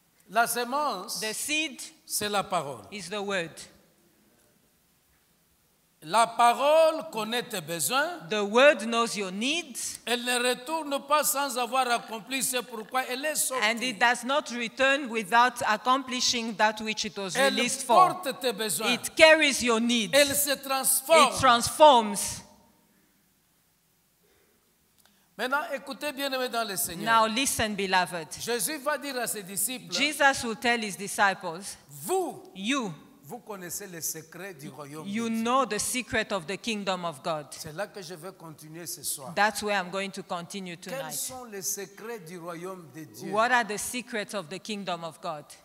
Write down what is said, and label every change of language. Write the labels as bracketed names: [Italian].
[French] La semence, [English] the seed, [French] c'est la parole. [English] Is the word. [French] La parole connaît tes besoins. [English] The word knows your needs. [French] Elle ne retourne pas sans avoir accompli ce pourquoi elle est sortie. [English] And it does not return without accomplishing that which it was [French] elle [English] released for. [French] Elle porte tes besoins. [English] It carries your needs. [French] Elle se transforme. [English] It transforms. [French] Maintenant, écoutez bien aimé dans le Seigneur. [English] Now listen, beloved. [French] Jésus va dire à ses disciples. [English] Jesus will tell his disciples. [French] Vous. [English] You. [French] Vous connaissez les secrets du royaume. [English] You know the secret of the kingdom of God. [French] C'est là que je vais continuer ce soir. [English] That's where I'm going to continue tonight. [French] Quels sont les secrets du royaume de Dieu? [English] What are the secrets of the kingdom of God?